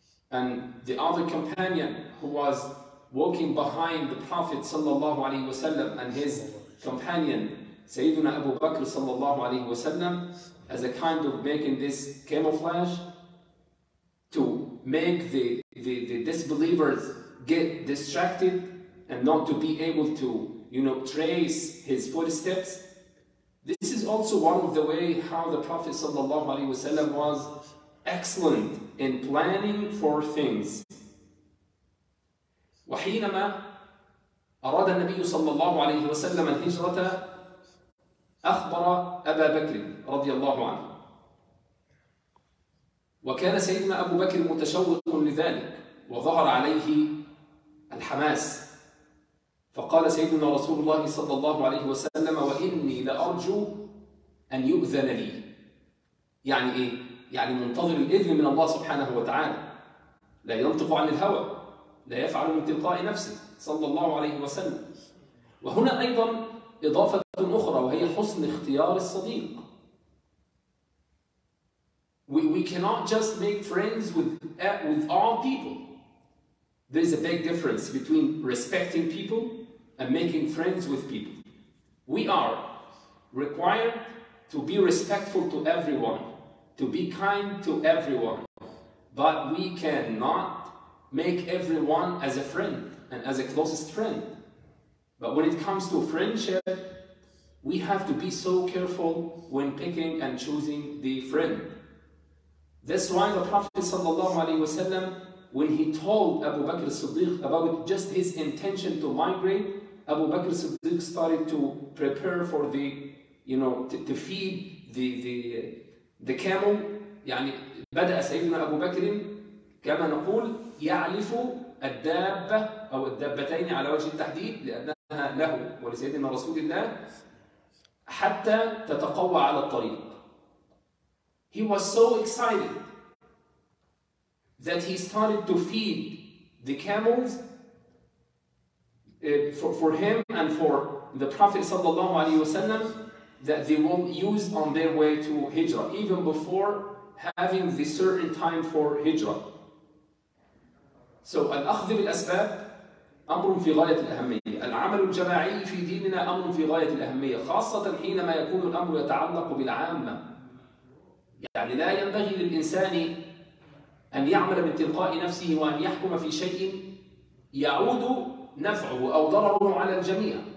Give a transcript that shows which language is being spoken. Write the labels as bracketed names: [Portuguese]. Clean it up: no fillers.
[English] and the other companion who was walking behind the Prophet sallallahu alaihi wasallam and his companion Sayyiduna Abu Bakr sallallahu alaihi wasallam, as a kind of making this camouflage to make the disbelievers get distracted and not to be able to, you know, trace his footsteps. This is also one of the way how the Prophet sallallahu alaihi wasallam was excellent in planning for things. [Arabic] وحينما أراد النبي صلى الله عليه وسلم الهجرة أخبر أبا بكر رضي الله عنه، وكان سيدنا أبو بكر متشوق لذلك وظهر عليه الحماس، فقال سيدنا رسول الله صلى الله عليه وسلم: وإني لأرجو أن يؤذن لي. يعني إيه؟ يعني منتظر الإذن من الله سبحانه وتعالى، لا ينطق عن الهوى، لا يفعل من تلقاء نفسه صلى الله عليه وسلم. وهنا أيضا إضافة أخرى، وهي حسن اختيار الصديق. [English] We cannot just make friends with all people. There is a big difference between respecting people and making friends with people. We are required to be respectful to everyone, to be kind to everyone, but we cannot make everyone as a friend and as a closest friend. But when it comes to friendship, we have to be so careful when picking and choosing the friend. That's why the Prophet sallallahu alaihi wasallam, when he told Abu Bakr as-Siddiq about just his intention to migrate, Abu Bakr as-Siddiq started to prepare for the, you know, to feed the camel [Arabic] يعني بدأ سيدنا أبو بكر كما نقول يعلف الدابة أو الدابتين على وجه التحديد لأنها له ولسيدنا رسول الله حتى تتقوى على الطريق. [English] He was so excited that he started to feed the camels for him and for the Prophet [Arabic] صلى الله عليه وسلم [English] that they will use on their way to Hijrah even before having the certain time for Hijrah. [Arabic] So الأخذ بالأسباب أمر في غاية الأهمية. العمل الجماعي في ديننا أمر في غاية الأهمية خاصة حينما يكون الأمر يتعلق بالعامة. يعني لا ينبغي للإنسان أن يعمل من تلقاء نفسه وأن يحكم في شيء يعود نفعه أو ضرره على الجميع.